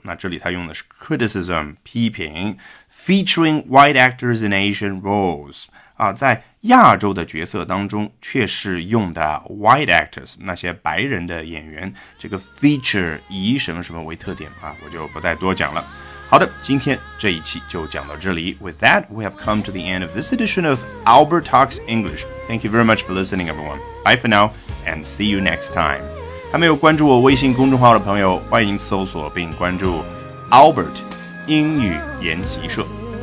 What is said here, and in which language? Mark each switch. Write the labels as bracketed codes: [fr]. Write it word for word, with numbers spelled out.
[zh] 那这里他用的是 criticism 批评 [en] featuring white actors in Asian roles [zh] 啊，在亚洲的角色当中却是用的 white actors 那些白人的演员，这个 feature 以什么什么为特点啊，我就不再多讲了。好的，今天这一期就讲到这里。 [en] With that, we have come to the end of this edition of Albert Talks English. Thank you very much for listening, everyone. Bye for now, and see you next time. [zh] 还没有关注我微信公众号的朋友，欢迎搜索并关注 Albert 英语研习社。